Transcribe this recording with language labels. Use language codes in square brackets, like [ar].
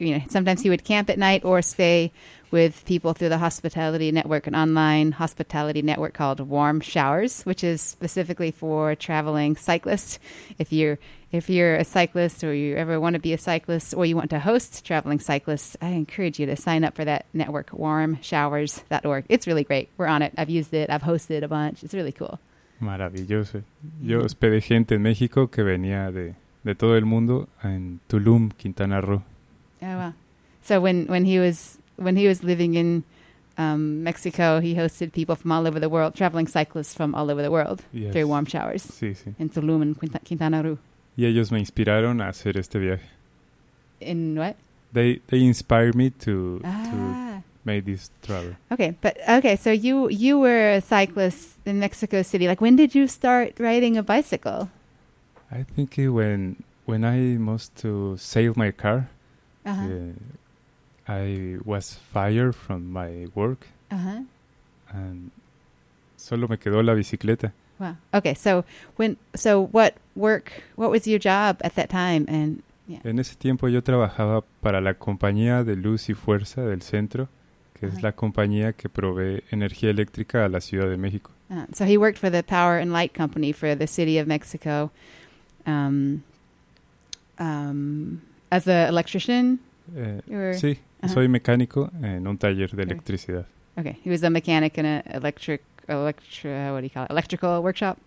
[en] Sometimes he would camp at night or stay with people through the hospitality network, an online hospitality network called Warm Showers, which is specifically for traveling cyclists. If you're a cyclist or you ever want to be a cyclist or you want to host traveling cyclists, I encourage you to sign up for that network, warmshowers.org. It's really great. We're on it. I've used it. I've hosted a bunch. It's really cool. [es] Maravilloso. Yo hospedé gente en México que venía de todo el mundo en Tulum, Quintana Roo. [en] Oh, wow. So when he was living in Mexico, he hosted people from all over the world, traveling cyclists from all over the world, yes, through Warm Showers. [es] Sí, sí. [en] In Tulum and Quintana Roo. [es] Y ellos me inspiraron a hacer este viaje. [en] In what? They inspired me to make this travel. Okay, so you were a cyclist in Mexico City. Like, when did you start riding a bicycle? I think when I must to sail my car. Uh-huh. I was fired from my work. Uh-huh. [es] And solo me quedó la bicicleta. [en] Wow. Okay, so what was your job at that time? And yeah. [es] En ese tiempo yo trabajaba para la compañía de Luz y Fuerza del Centro, que uh-huh. es la compañía que provee energía eléctrica a la Ciudad de México. [en] So he worked for the Power and Light Company for the City of Mexico. As an electrician? [es] Sí, uh-huh. soy mecánico en un taller de electricidad. [en] Okay, he was a mechanic in an electrical workshop?